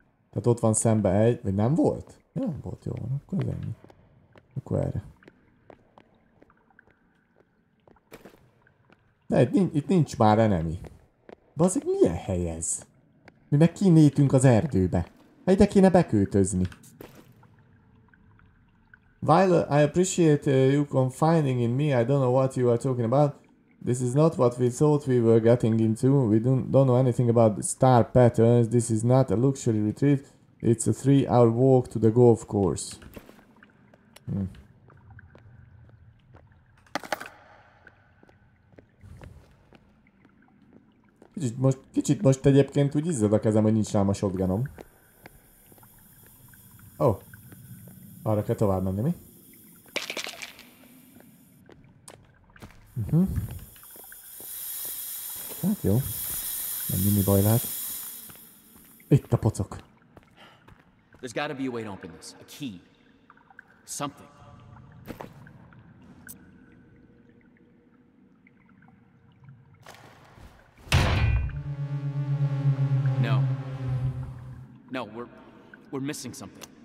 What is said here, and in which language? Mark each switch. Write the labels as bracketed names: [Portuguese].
[Hungarian] Tehát ott van szembe egy, vagy nem volt? Nem volt, jó, akkor ez ennyi. Akkor erre. De itt nincs már enemy. Bazik, milyen hely ez? Mi meg kinnétünk az erdőbe. Hát ide kéne beköltözni. [English] While I appreciate you confiding in me, I don't know what you are talking about. This is not what we thought we were getting into. We don't know anything about the star patterns. This is not a luxury retreat. It's a 3-hour walk to the golf course. [Hungarian] Kicsit most egyébként úgy izzad a kezem, hogy nincs rám a shotgunom. Oh. Arra kell tovább menni, mi? Hát jó, mennyi mi baj lehet. Itt a pocok. [English] There's gotta be a way to open this. A key. Something. No. No, we're missing something.